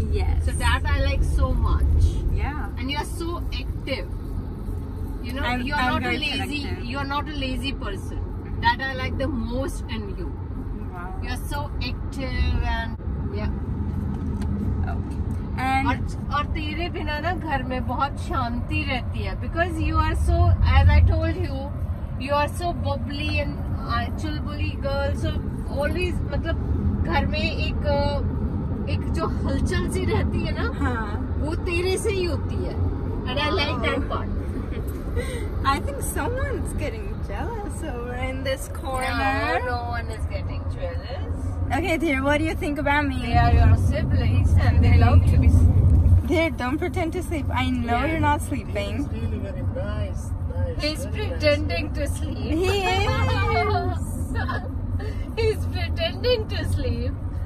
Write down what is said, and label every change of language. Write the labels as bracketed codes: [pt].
[en] Yes. So that I like so much. Yeah. And you are so active. You know, you're not a lazy person. That I like the most in you. Wow. You're so active and yeah. [hi] और तेरे बिना ना घर में बहुत शांति रहती है [en] because you are so as I told you are so bubbly and चुलबुली girl so always [hi] मतलब घर में एक एक जो हलचल सी रहती है ना वो तेरे से ही होती है [en] And I like that part I think someone is getting jealous over in this corner no one is getting jealous Okay, dear, what do you think about me? They are your siblings and they love to be sleeping. Dear, don't pretend to sleep. I know you're not sleeping. He's really very nice. He's pretending to sleep. He is. He's pretending to sleep.